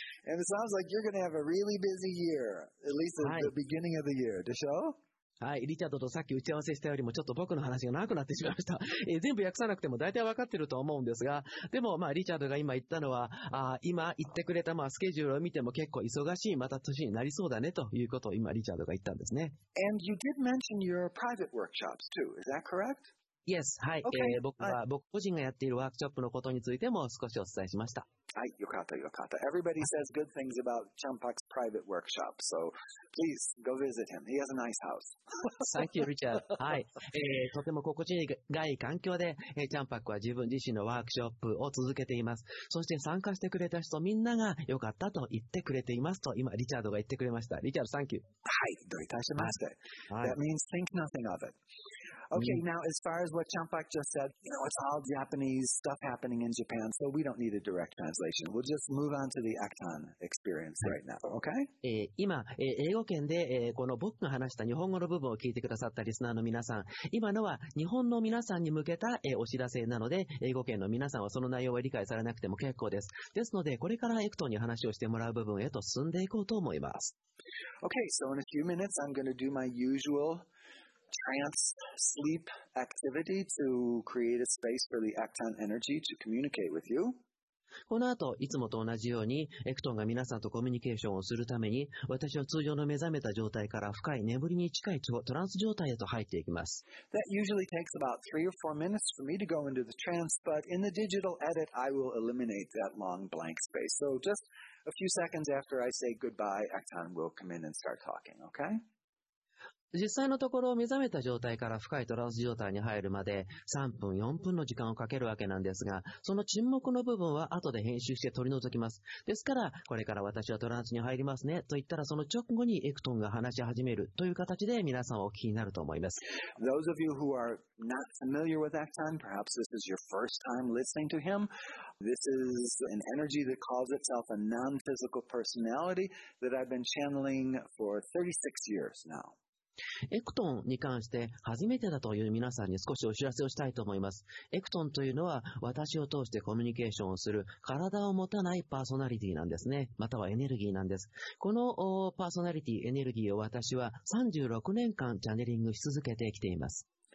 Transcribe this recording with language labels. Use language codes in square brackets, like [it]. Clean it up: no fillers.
[en] And it sounds like you're going to have a really busy year, at least at the beginning of the year, [ja] でしょ。はい、リチャードとさっき打ち合わせしたよりもちょっと僕の話が長くなってしまいました、全部訳さなくても大体分かってると思うんですが、でもまあリチャードが今言ったのは、今言ってくれたまあスケジュールを見ても結構忙しいまた年になりそうだねということを今リチャードが言ったんですね。 [en] And you did mention your private workshops too, is that correct? Yes, [ja] はい、 [en] okay. [ja] 僕は僕個人がやっているワークショップのことについても少しお伝えしました。はい、よかったよかった。 [en] Everybody says good things about Champak's private workshop, so please go visit him. He has a nice house. Thank you, Richard. [ja] はい、とても心地がいい環境で、Champak は自分自身のワークショップを続けています。そして参加してくれた人みんながよかったと言ってくれていますと今リチャードが言ってくれました。 [en] リチャード、 Thank you. [ja] はい、どういたしまして。 [en] That means think nothing of it. Okay, now as far as what Champak just said, you know, it's all Japanese stuff happening in Japan, so we don't need a direct translation. We'll just move on to the Acton experience right now, okay? [ja] 今、英語圏で、この僕が話した日本語の部分を聞いてくださったリスナーの皆さん、今のは日本の皆さんに向けた、お知らせなので、英語圏の皆さんはその内容を理解されなくても結構です。ですので、これからエクトンに話をしてもらう部分へと進んでいこうと思います。 [en] Okay, so in a few minutes, I'm going to do my usual trance sleep activity to create a space for the Acton energy to communicate with you. [ja] この後いつもと同じようにエクトンが皆さんとコミュニケーションをするために、私は通常の目覚めた状態から深い眠りに近いトランス状態へと入っていきます。 [en] That usually takes about 3 or 4 minutes for me to go into the trance, but in the digital edit I will eliminate that long blank space. So just a few seconds after I say goodbye, Acton will come in and start talking, okay? [ja] 実際のところを目覚めた状態から深いトランス状態に入るまで3分4分の時間をかけるわけなんですが、その沈黙の部分は後で編集して取り除きます。ですから、これから私はトランスに入りますねと言ったら、その直後にエクトンが話し始めるという形で皆さんはお聞きになると思います。 [en] Those of you who are not familiar with Acton, perhaps this is your first time listening to him. This is an energy that calls itself a non-physical personality that I've been channeling for 36 years now. [ja] エクトンに関して初めてだという皆さんに少しお知らせをしたいと思います。エクトンというのは私を通してコミュニケーションをする体を持たないパーソナリティなんですね、またはエネルギーなんです。このパーソナリティエネルギーを私は36年間チャネリングし続けてきています。